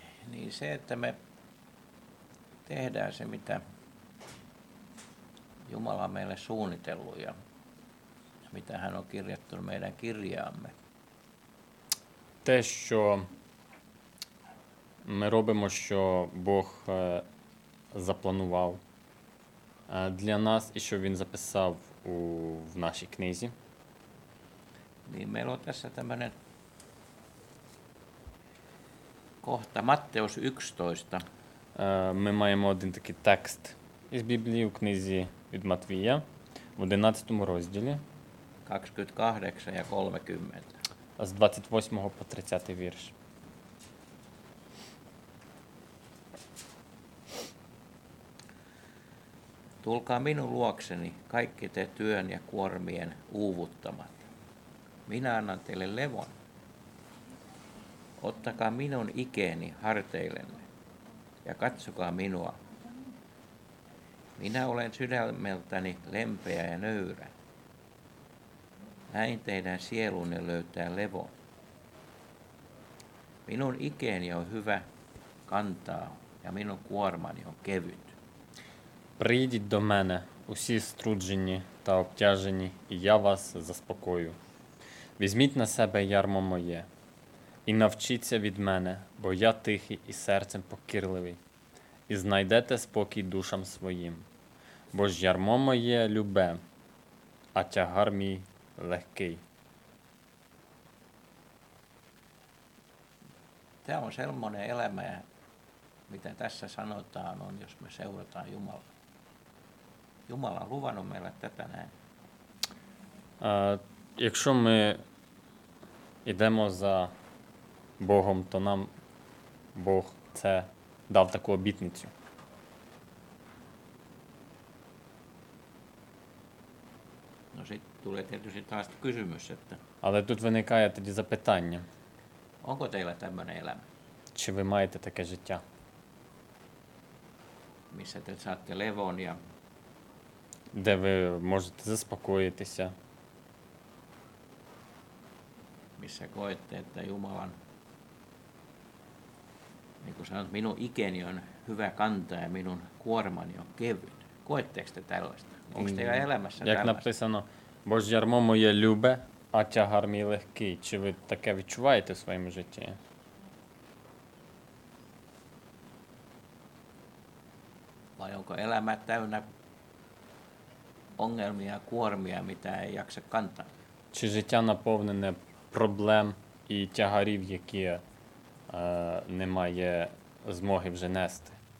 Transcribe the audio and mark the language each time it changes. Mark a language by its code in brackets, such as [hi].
[uk] Ні, все, що ми [fi] tehdään se, mitä Jumala on meille suunnitellut ja mitä hän on kirjattunut meidän kirjaamme. [uk] Те, що ми робимо, що Бог запланував для нас і що Він записав в нашій книзі. [fi] Niin meillä on tässä tämmöinen kohta Matteus 11. [uk] Ми маємо один такий текст із Біблії у книзі від Матвія в 11 розділі. 28 і 30. З 28 по 30 вірш. [fi] Tulkaa minun luokseni, kaikki te työn ja kuormien uuvuttamat. Minä annan teille levon. Ottakaa minun ikeeni harteillenne. Ja katsokaa minua. Minä olen sydämeltäni lempeä ja nöyrä. Näin teidän sielunne löytää levo. Minun ikeeni on hyvä kantaa, ja minun kuormani on kevyt. [uk] Прийди до мене, усі струджені та обтяжені, і я вас заспокою. Візьміть на себе ярмо моє і навчіться від мене, бо я тихий і серцем покірливий, і знайдете спокій душам своїм. Бо ж ярмо моє любе, а тягар мій легкий. [fi] Це on sellainen elämä, mitä tässä sanotaan, on jos me seurataan Jumalaa. Jumala on luvannut meille tätä näin. [uk] Якщо ми йдемо за Богом, то нам Бог це дав таку обітницю. [fi] No sit tulee tietysti taas kysymys, että... [uk] Але тут виникає тоді запитання. [fi] Onko teillä tämmöinen elämä? [uk] Чи ви маєте таке життя? [fi] Missä te saatte levon ja... [uk] Де ви можете заспокоїтися? [fi] Missä koette, että Jumalan, niin kuin sanot, minun ikeni on hyvä kantaa ja minun kuormani on kevyt. Koetteko te tällaista? Onko teillä elämässä tällaista? [uk] Як написано, Божий ярмо моє любе, а тягар мій легкий. Чи ви таке відчуваєте в своєму житті? [fi] Vai onko elämä täynnä ongelmia ja kuormia, mitä ei jaksa kantaa? [uk] Чи життя наповнене проблем і тягарів, які немає змоги вже нести.